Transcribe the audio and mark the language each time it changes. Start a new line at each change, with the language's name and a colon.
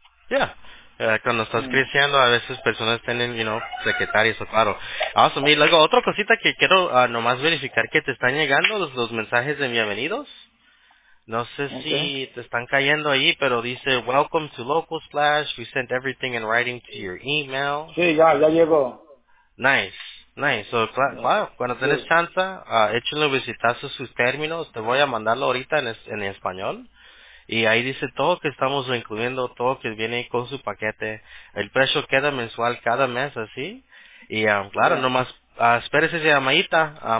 Spanish: Yeah. Cuando estás creciendo, a veces personas tienen, secretarias o claro. Awesome. Y luego, otra cosita que quiero nomás verificar que te están llegando los mensajes de bienvenidos. No sé si te están cayendo ahí, pero dice,
English: welcome to Local Splash. We sent everything in writing to your email.
Spanish: Sí, ya llegó.
English: Nice, nice.
Spanish: So, claro, cuando tenés chance, échenle un visitazo a sus términos. Te voy a mandarlo ahorita en español. Y ahí dice todo que estamos incluyendo, todo que viene con su paquete. El precio queda mensual cada mes, así. Y claro, nomás espérese esa llamadita.